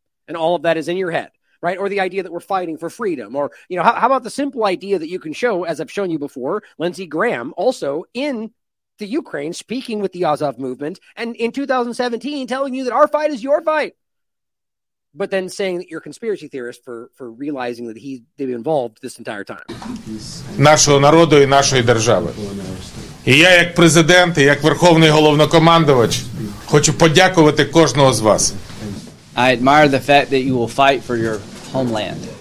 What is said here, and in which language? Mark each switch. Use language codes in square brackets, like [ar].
[en] And all of that is in your head. Right. Or the idea that we're fighting for freedom, or, you know, how about the simple idea that you can show, as I've shown you before, Lindsey Graham also in the Ukraine speaking with the Azov movement and in 2017 telling you that our fight is your fight. But then saying that you're a conspiracy theorist for realizing that he'd be involved this entire time. [uk] Нашого народу і нашої держави. І я як президент, і як верховний головнокомандувач хочу подякувати кожного з вас. [en] I admire the fact that you will fight for your homeland.